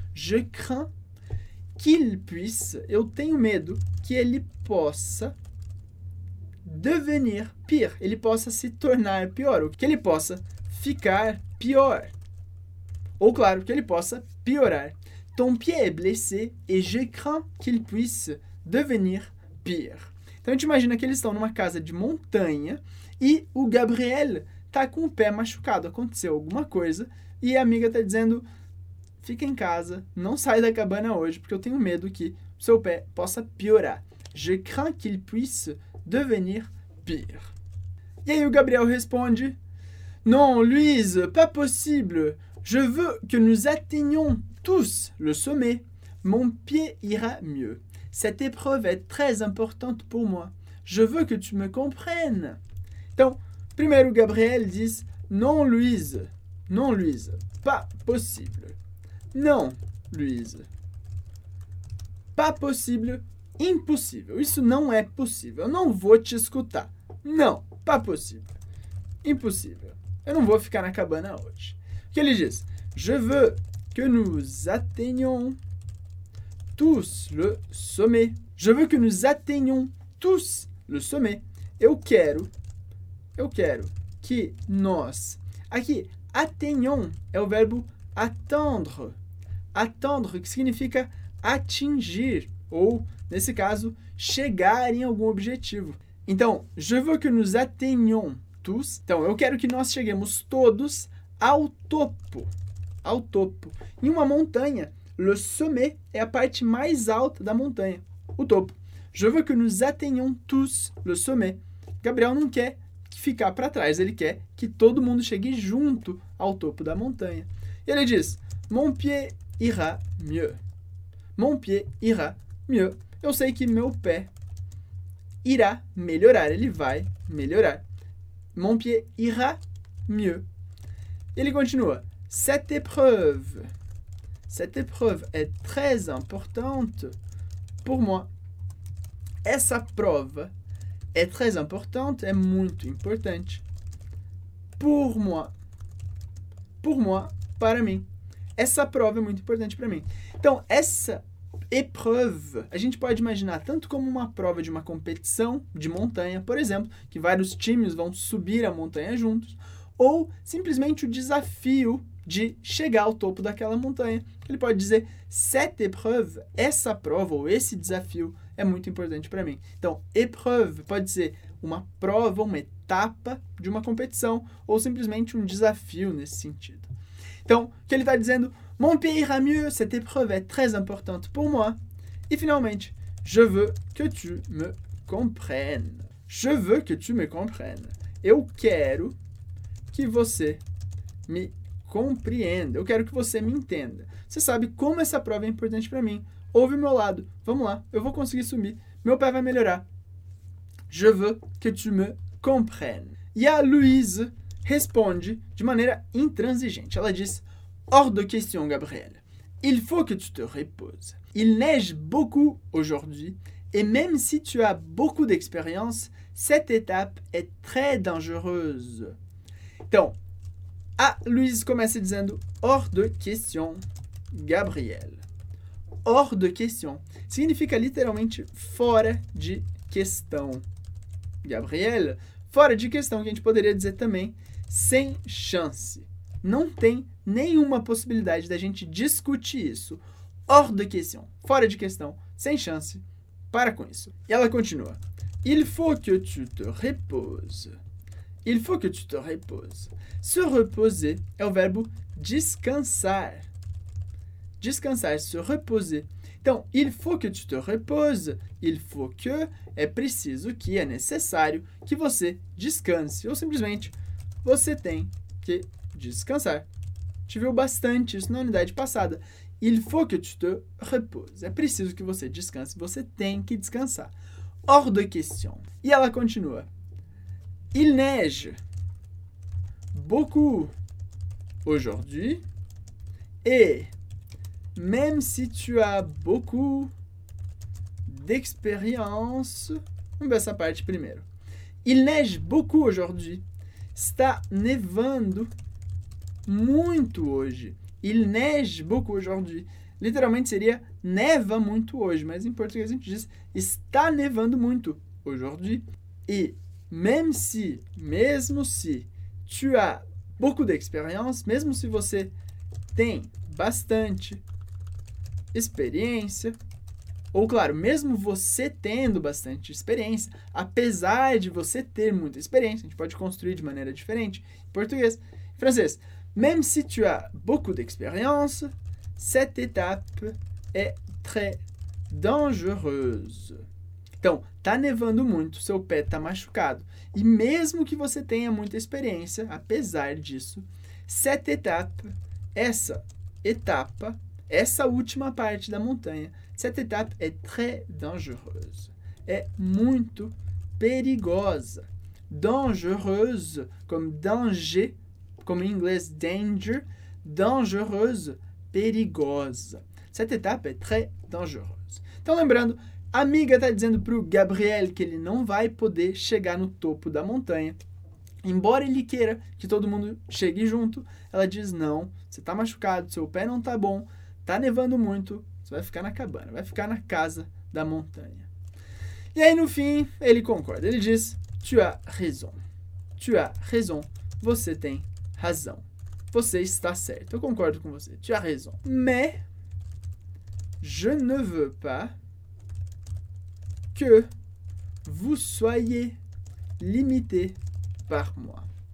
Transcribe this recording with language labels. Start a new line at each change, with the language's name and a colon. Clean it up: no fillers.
French: Je crains qu'il puisse.
Portuguese: Eu tenho medo que ele possa
French: devenir pire.
Portuguese: Ele possa se tornar pior. Ou que ele possa ficar pior. Ou, claro, que ele possa piorar.
French: Ton pied est blessé et je crains qu'il puisse devenir pire.
Portuguese: Então, a gente imagina que eles estão numa casa de montanha e o Gabriel está com o pé machucado. Aconteceu alguma coisa e a amiga está dizendo: fica em casa, não sai da cabana hoje, porque eu tenho medo que seu pé possa piorar.
French: Je crains qu'il puisse devenir pire.
Portuguese: E aí o Gabriel responde:
French: non, Louise, pas possible. Je veux que nous atteignions tous le sommet. Mon pied ira mieux. Cette épreuve est très importante pour moi. Je veux que tu me comprennes.
Portuguese: Então, primeiro Gabriel diz:
French: Non, Louise, pas possible. Non, Louise, pas possible, impossível.
Portuguese: Isso não é possível. Eu não vou te escutar. Não,
French: pas possible,
Portuguese: impossível. Eu não vou ficar na cabana hoje. O que ele diz?
French: Je veux que nous atteignions tous le sommet. Je veux que nous atteignions tous le sommet.
Portuguese: Eu quero que nós... Aqui, atteignons é o verbo attendre. Attendre, que significa atingir, ou, nesse caso, chegar em algum objetivo. Então,
French: je veux que nous atteignions tous.
Portuguese: Então, eu quero que nós cheguemos todos ao topo. Ao topo. Em uma montanha, le sommet é a parte mais alta da montanha. O topo.
French: Je veux que nous atteignions tous le sommet.
Portuguese: Gabriel não quer ficar para trás. Ele quer que todo mundo chegue junto ao topo da montanha. E ele diz:
French: mon pied ira mieux. Mon pied ira mieux.
Portuguese: Eu sei que meu pé irá melhorar. Ele vai melhorar.
French: Mon pied ira mieux.
Portuguese: Ele continua:
French: Cette épreuve est très importante pour moi.
Portuguese: Essa prova é
French: très importante,
Portuguese: é muito importante.
French: Pour moi,
Portuguese: para mim. Essa prova é muito importante para mim. Então, essa épreuve, a gente pode imaginar tanto como uma prova de uma competição de montanha, por exemplo, que vários times vão subir a montanha juntos, ou simplesmente o desafio de chegar ao topo daquela montanha. Ele pode dizer:
French: cette épreuve,
Portuguese: essa prova ou esse desafio é muito importante para mim. Então, épreuve pode ser uma prova, uma etapa de uma competição ou simplesmente um desafio nesse sentido. Então, o que ele está dizendo?
French: Mon pied ira mieux, cette épreuve est très importante pour moi.
Portuguese: E finalmente,
French: je veux que tu me comprennes. Je veux que tu me comprennes.
Portuguese: Eu quero que você me compreenda. Eu quero que você me entenda. Você sabe como essa prova é importante para mim. Ouve o meu lado. Vamos lá, eu vou conseguir subir. Meu pé vai melhorar.
French: Je veux que tu me comprennes.
Portuguese: E a Louise responde de maneira intransigente. Ela diz:
French: hors de question, Gabriel. Il faut que tu te reposes. Il neige beaucoup aujourd'hui. Et même si tu as beaucoup d'expérience, cette étape est très dangereuse.
Portuguese: Então, a Louise começa dizendo:
French: hors de question, Gabriel. Hors de question.
Portuguese: Significa literalmente fora de questão. Gabriel, fora de questão, que a gente poderia dizer também sem chance. Não tem nenhuma possibilidade da gente discutir isso.
French: Hors de question.
Portuguese: Fora de questão. Sem chance. Para com isso. E ela continua:
French: il faut que tu te reposes. Il faut que tu te reposes.
Portuguese: Se reposer é o verbo descansar. Descansar,
French: se reposer.
Portuguese: Então,
French: il faut que tu te reposes. Il faut que
Portuguese: é preciso, que é necessário que você descanse. Ou simplesmente, você tem que descansar. Te viu bastante isso na unidade passada.
French: Il faut que tu te reposes.
Portuguese: É preciso que você descanse. Você tem que descansar.
French: Hors de question.
Portuguese: E ela continua:
French: il neige beaucoup aujourd'hui Et même si tu as beaucoup d'expérience, ben ça parle primero. Il neige beaucoup aujourd'hui.
Portuguese: Está nevando muito hoje.
French: Il neige beaucoup aujourd'hui.
Portuguese: Literalmente seria neva muito hoje, mas em português a gente diz está nevando muito aujourd'hui. E mesmo se
French: tu as beaucoup d'expérience,
Portuguese: mesmo se você tem bastante experiência, ou claro, mesmo você tendo bastante experiência, apesar de você ter muita experiência, a gente pode construir de maneira diferente em português. Em francês,
French: même si tu as beaucoup d'expérience, cette étape est très dangereuse.
Portuguese: Então, tá nevando muito, seu pé tá machucado. E mesmo que você tenha muita experiência, apesar disso, cette étape, essa etapa, essa última parte da montanha,
French: cette étape est très dangereuse.
Portuguese: É muito perigosa. Dangereuse, comme danger, comme em inglês danger, dangereuse, perigosa.
French: Cette étape est très dangereuse.
Portuguese: Então, lembrando, a amiga está dizendo para o Gabriel que ele não vai poder chegar no topo da montanha. Embora ele queira que todo mundo chegue junto, ela diz, não, você está machucado, seu pé não está bom, está nevando muito, você vai ficar na cabana, vai ficar na casa da montanha. E aí, no fim, ele concorda. Ele diz,
French: tu as raison. Tu as raison.
Portuguese: Você tem razão. Você está certo. Eu concordo com você.
French: Tu as raison. Mais, je ne veux pas que vous soyez limité par moi.